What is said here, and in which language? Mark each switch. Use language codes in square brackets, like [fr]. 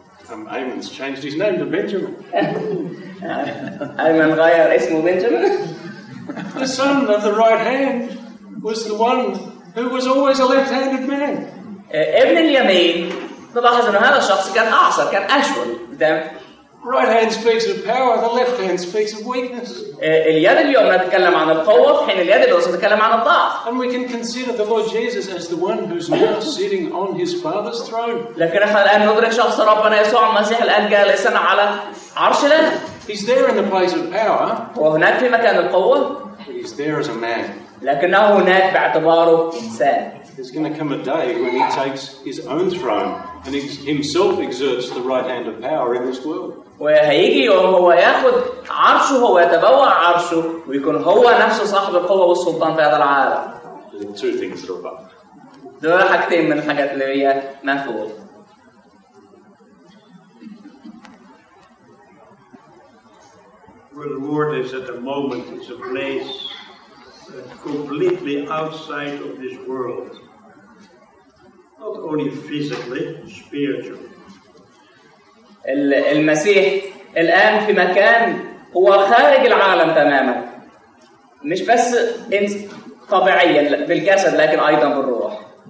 [en] Amon's changed his name to Benjamin. [ar] Amon غير اسمه Benjamin. [en] The son of the right hand was the one who was always a left-handed man. [ar] ابن اليمين نلاحظ أن هذا الشخص كان أعصر, كان أشول. [en] Right hand speaks of power, the left hand speaks of weakness. [ar] اليد اليمنى تتكلم عن القوة, حين اليد اليسرى تتكلم عن الضعف. [en] And we can consider the Lord Jesus as the one who's now sitting on his Father's throne. [ar] لكن احنا الآن ندرك شخص ربنا يسوع المسيح الآن جالسا على عرش الآب. [en] He's there in the place of power. [ar] وهناك في مكان القوة. [en] He's there as a man. [ar] لكنه هناك باعتباره إنسان. [en] There's going to come a day when he takes his own throne and he himself exerts the right hand of power in this world. [ar] وهيجي يوم هو ياخد عرشه, هو يتبوى عرشه ويكون هو نفسه صاحب القوة والسلطان في هذا العالم. [en] There are two things that are above. [ar] دول حاجتين من الحاجات اللي هي من فوق. [en] Where the Lord is at the moment is a place completely outside of this world. Not only physically, spiritually. [ar] المسيح الآن في مكان هو خارج العالم تماما, مش بس طبيعيا بالجسد لكن أيضا بالروح.